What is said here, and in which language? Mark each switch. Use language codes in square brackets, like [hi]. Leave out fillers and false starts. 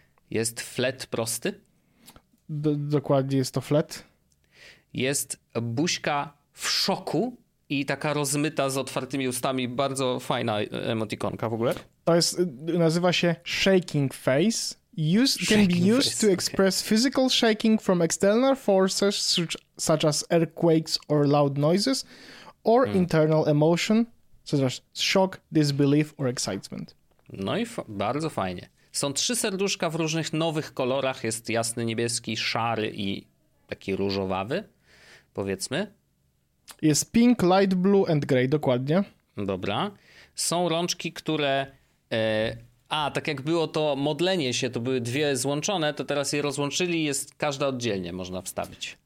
[pl] Jest flat prosty. Dokładnie jest to flat. Jest buźka w szoku i taka rozmyta z otwartymi ustami. Bardzo fajna emotikonka w ogóle. To jest, nazywa się shaking face. [en] Can be used to express physical shaking from external forces such as earthquakes or loud noises or internal emotion such as shock, disbelief or excitement. [pl] No i bardzo fajnie. Są trzy serduszka w różnych nowych kolorach. Jest jasny, niebieski, szary i taki różowawy, powiedzmy. [en] Jest pink, light blue and grey, dokładnie. [pl] Dobra. Są rączki, które... tak jak było to modlenie się, to były dwie złączone, to teraz je rozłączyli i jest każda oddzielnie można wstawić.